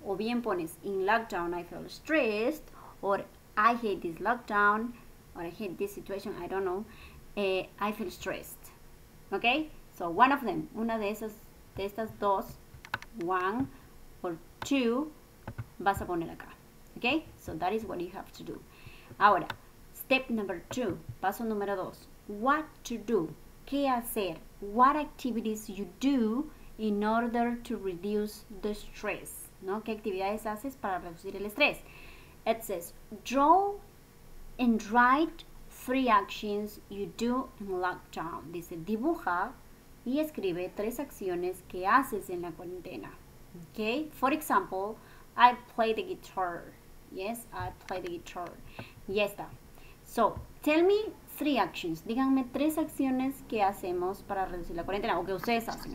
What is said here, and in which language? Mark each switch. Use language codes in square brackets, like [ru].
[es] O bien pones, [en] in lockdown I feel stressed, or I hate this lockdown, or I hate this situation, I don't know, I feel stressed, ¿ok? So, one of them, [es] una de estas dos, [en] one or two, [es] vas a poner acá, ¿ok? [en] So, that is what you have to do. [es] Ahora, [en] step number two, [es] paso número dos, [en] what to do, [es] ¿qué hacer? [en] What activities you do in order to reduce the stress, ¿no? [es] ¿Qué actividades haces para reducir el estrés? [en] It says, draw and write three actions you do in lockdown. [es] Dice, dibuja y escribe tres acciones que haces en la cuarentena. [en] Okay? For example, I play the guitar. Yes, I play the guitar. [es] Y está. [en] So, tell me three actions. [es] Díganme tres acciones que hacemos para reducir la cuarentena. O que ustedes hacen.